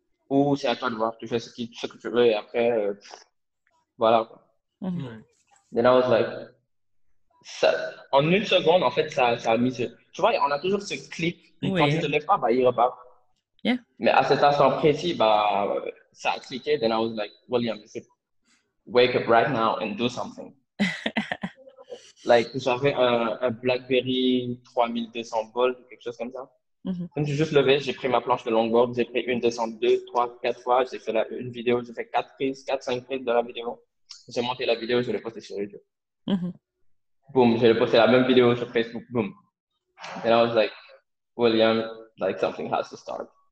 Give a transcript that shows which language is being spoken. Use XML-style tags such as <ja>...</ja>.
<fr>Ou c'est à toi de voir, tu fais ce que tu veux et après, voilà.</fr> <en>Then I was like,</en> <fr>ça, en une seconde, en fait, ça a mis ce. Tu vois, on a toujours ce clic, et quand tu te lèves pas, bah, il repart. Mais à cet instant précis, bah, ça a cliqué.</fr> <en>Then I was like, William, wake up right now and do something. Like,</en> <fr>j'avais un BlackBerry 3200 volts, quelque chose comme ça. Je me suis juste levé, j'ai pris ma planche de longboard, j'ai pris une, deux, deux, trois, quatre fois, j'ai fait une vidéo, j'ai fait quatre prises, quatre, cinq prises de la vidéo. J'ai monté la vidéo, je l'ai postée sur YouTube. Boom, j'ai posté la même vidéo sur Facebook, boom.</fr> <en>And I was like, William, like something has to start.</en>